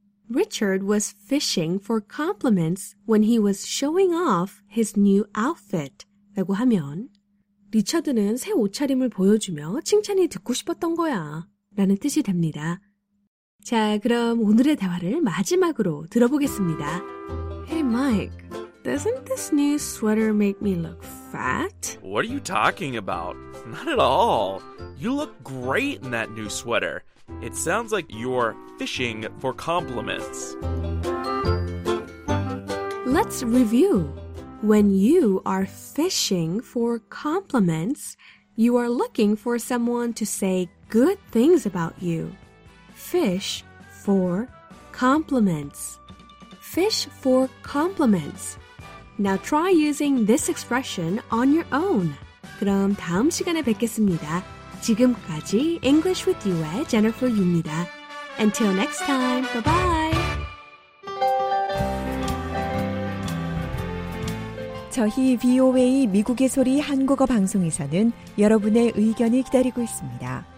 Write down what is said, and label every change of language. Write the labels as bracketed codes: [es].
[en] Richard was fishing for compliments when he was showing off his new outfit. [ko] 라고 하면, 리처드는 새 옷차림을 보여주며 칭찬이 듣고 싶었던 거야. 라는 뜻이 됩니다. 자, 그럼 오늘의 대화를 마지막으로 들어보겠습니다. [en] Hey, Mike, doesn't this new sweater make me look fat? What are you talking about? Not at all. You look great in that new sweater. It sounds like you're fishing for compliments. Let's review. When you are fishing for compliments, you are looking for someone to say good things about you. Fish for compliments. Fish for compliments. Now try using this expression on your own. [ko] 그럼 다음 시간에 뵙겠습니다. 지금까지 English with You의 Jennifer Yu입니다. [en] Until next time, bye-bye. [ko] 저희 VOA 미국의 소리 한국어 방송에서는 여러분의 의견을 기다리고 있습니다.